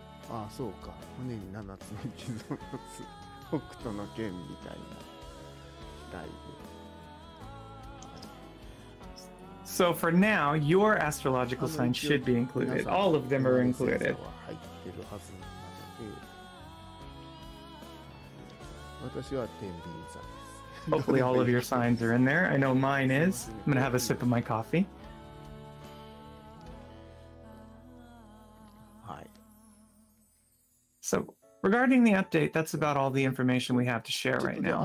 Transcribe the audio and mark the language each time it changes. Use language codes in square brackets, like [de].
[ja] ああそうか、胸に7つの傷を持つ北斗の剣みたいな題で。 [en] So for now, your astrological sign should be included. All of them are included. [ja] 入ってるはずなので、私は天秤座です。 [en] Hopefully all of your signs are in there. I know mine is. I'm gonna have a sip of my coffee. Hi. So regarding the update, that's about all the information we have to share right now.